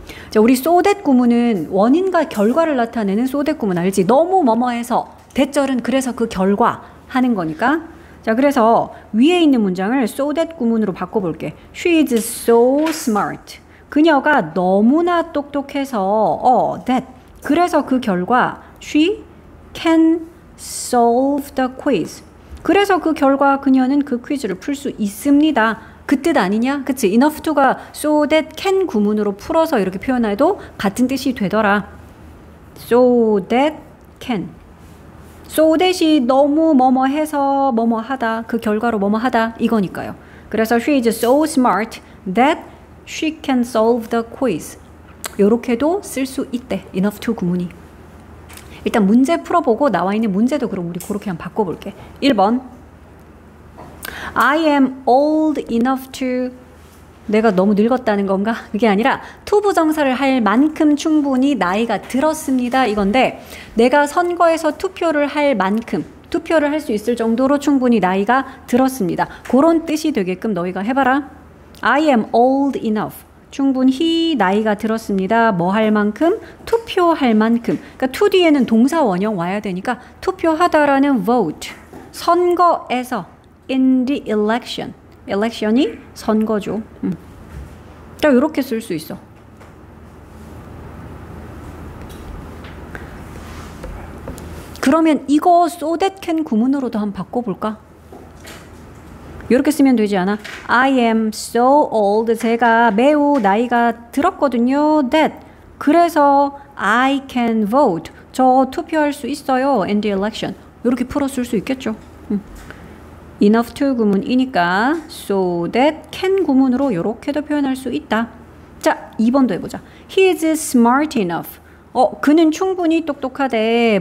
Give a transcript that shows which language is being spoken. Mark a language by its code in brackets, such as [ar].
[ko] 자, 우리 so that 구문은 원인과 결과를 나타내는 so that 구문 알지? 너무 뭐뭐해서 대절은 그래서 그 결과 하는 거니까. 자, 그래서 위에 있는 문장을 so that 구문으로 바꿔볼게. [en] She is so smart. [ko] 그녀가 너무나 똑똑해서 that. [en] 그래서 그 결과 she can solve the quiz. [ko] 그래서 그 결과 그녀는 그 퀴즈를 풀 수 있습니다. 그 뜻 아니냐? 그치? enough to가 so that can 구문으로 풀어서 이렇게 표현해도 같은 뜻이 되더라. [en] so that can. [ko] so that이 너무 뭐뭐 해서 뭐뭐 하다. 그 결과로 뭐뭐 하다. 이거니까요. [en] 그래서 she is so smart that she can solve the quiz. [ko] 요렇게도 쓸 수 있대. enough to 구문이. 일단 문제 풀어보고 나와 있는 문제도 그럼 우리 그렇게 한번 바꿔볼게. [en] 1번. I am old enough to. [ko] 내가 너무 늙었다는 건가? 그게 아니라 to 부정사를 할 만큼 충분히 나이가 들었습니다. 이건데 내가 선거에서 투표를 할 만큼 투표를 할 수 있을 정도로 충분히 나이가 들었습니다. 그런 뜻이 되게끔 너희가 해봐라. [en] I am old enough. [ko] 충분히 나이가 들었습니다. 뭐 할 만큼? 투표할 만큼. 그러니까 to 뒤에는 동사 원형 와야 되니까 투표하다라는 vote. [en] 선거에서 in the election. [ko] election이 선거죠. 자, 이렇게 쓸 수 있어. 그러면 이거 so that can 구문으로도 한번 바꿔볼까? 이렇게 쓰면 되지 않아? I am so old. 제가 매우 나이가 들었거든요. [en] that. 그래서 I can vote. [ko] 저 투표할 수 있어요. in the election. 이렇게 풀어 쓸 수 있겠죠. enough to 구문이니까 so that can 구문으로 이렇게도 표현할 수 있다. 자, 2번도 해보자. He is smart enough. 그는 충분히 똑똑하대.